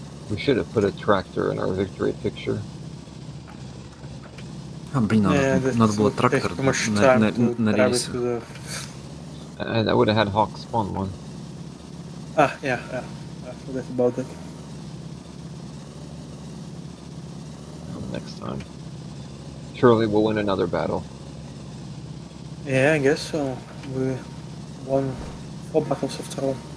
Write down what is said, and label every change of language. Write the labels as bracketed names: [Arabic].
[English] We should have put a tractor in our victory picture. [Russian] А, блин, надо было трактор на рельсы. [English] And I would have had Hawk spawn one. Ah, yeah, yeah. I forgot about that. Next time. Surely we'll win another battle. Yeah, I guess so. We won 4 battles after all.